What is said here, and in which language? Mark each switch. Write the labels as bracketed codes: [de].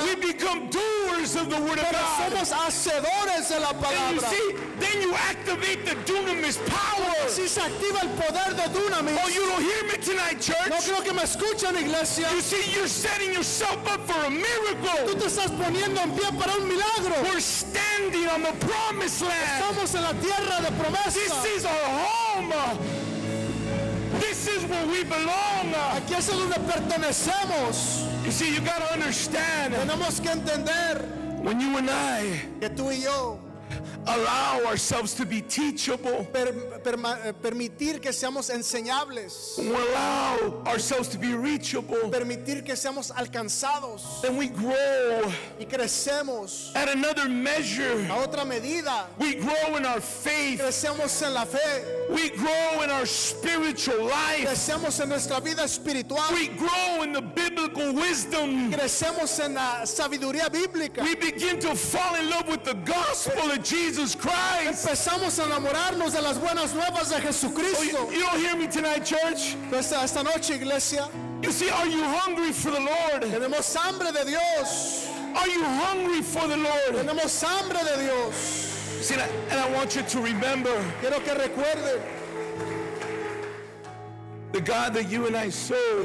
[en] We become doers of the word of God. [es] Somos hacedores de la palabra. [en] And you see, then you activate the dunamis power. [es] Si se activa el poder de dunamis. [en] Oh, you don't hear me tonight, church? [es] No creo que me escuchen, iglesia. [en] You see, you're setting yourself up for a miracle. [es] Tú te estás poniendo en pie para un milagro. [en] We're standing on the promised land. [es] Estamos en la tierra de promesa. [en] This is our home. This is where we belong. [es] Aquí es donde pertenecemos. [en] You see, you gotta understand. [es] Tenemos que entender. [en] When you and I, [es] que tú y yo, [en] allow ourselves to be teachable. [es] Permitir que seamos enseñables. [en] Allow ourselves to be reachable. [es] Permitir que seamos alcanzados. [en] Then we grow. [es] Y crecemos. [en] At another measure. [es] A otra medida. [en] We grow in our faith. [es] Crecemos en la fe. [en] We grow in our spiritual life. [es] Crecemos en nuestra vida espiritual. [en] We grow in the biblical wisdom. [es] Crecemos en la sabiduría bíblica. [en] We begin to fall in love with the gospel of Jesus Christ. [es] Empezamos a enamorarnos de las buenas nuevas de Jesucristo. [en] Oh, you don't hear me tonight, church? [es] Esta noche, iglesia. [en] You see, are you hungry for the Lord? [es] Tenemos hambre de Dios. [en] Are you hungry for the Lord? [es] Tenemos hambre de Dios. [en] See, and I want you to remember. [es] Quiero que recuerde. [en] The God that you and I serve.